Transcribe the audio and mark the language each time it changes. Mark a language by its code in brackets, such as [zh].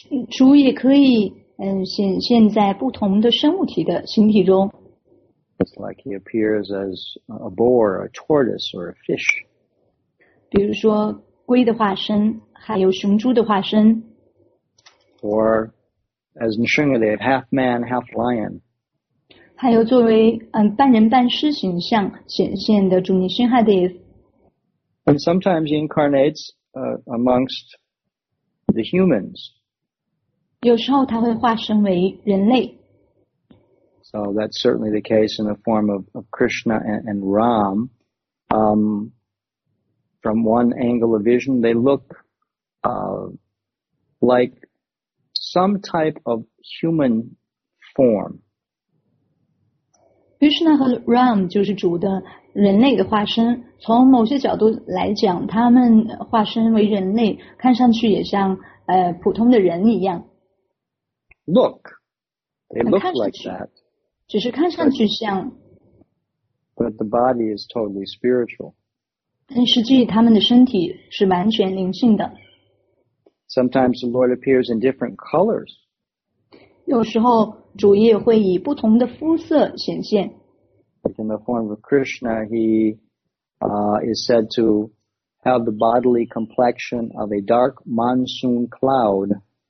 [zh] 主也可以显现在不同的生物体的形体中。 [en] It's like he appears as a boar, a tortoise, or a fish. [zh] 比如说龟的化身，还有雄猪的化身。 [en] Or as Nrsingadev, half man, half lion. [zh] 还有作为半人半狮形象显现的主尼辛哈德。 [en] And sometimes he incarnates amongst the humans. [zh] 有时候他会化身为人类。 [en] So that's certainly the case in the form of Krishna and Ram. From one angle of vision, they look like some type of human form. [zh] Krishna 和 Ram 就是主的人类的化身，从某些角度来讲，他们化身为人类，看上去也像普通的人一样。 [en] Look, they look like that. [zh] 只是看上去像。 [en] But the body is totally spiritual. [zh] 但实际他们的身体是完全灵性的。 [en] Sometimes the Lord appears in different colors. [zh] 有时候主也会以不同的肤色显现。 [en] Like in the form of Krishna, he is said to have the bodily complexion of a dark monsoon cloud.